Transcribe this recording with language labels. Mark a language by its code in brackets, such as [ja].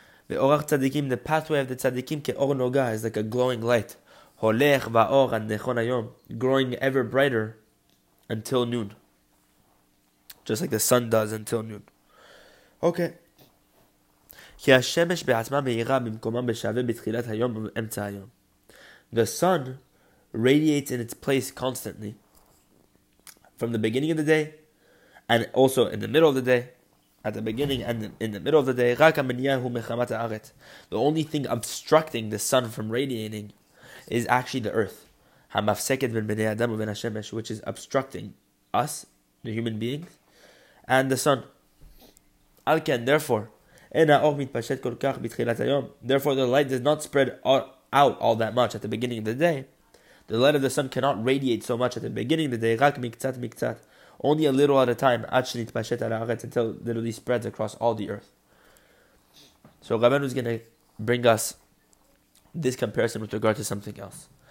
[he] ואורך צדיקים, [en] the pathway of the tzadikim [he] כאור נוגה [en] is like a glowing light. [he] הולך ואור עד נכון היום, [en] growing ever brighter until noon. Just like the sun does until noon. Okay. [he] כי השמש בעצמה מאירה במקומה בשווה בתחילת היום ובאמצע היום. [en] The sun radiates in its place constantly from the beginning of the day and also in the middle of the day. At the beginning and in the middle of the day, [he] רק המניע הוא מחמת הארץ. [en] The only thing obstructing the sun from radiating is actually the earth. [he] המפסקת בין בני אדם ובין השמש, [en] which is obstructing us, the human beings, and the sun. [he] על כן, therefore, אין האור מתפשט כל כך בתחילת היום. [en] Therefore, the light does not spread out all that much at the beginning of the day. The light of the sun cannot radiate so much at the beginning of the day, [he] רק מקצת מקצת. [en] Only a little at a time, until it literally spreads across all the earth. So Rabbeinu is going to bring us this comparison with regard to something else.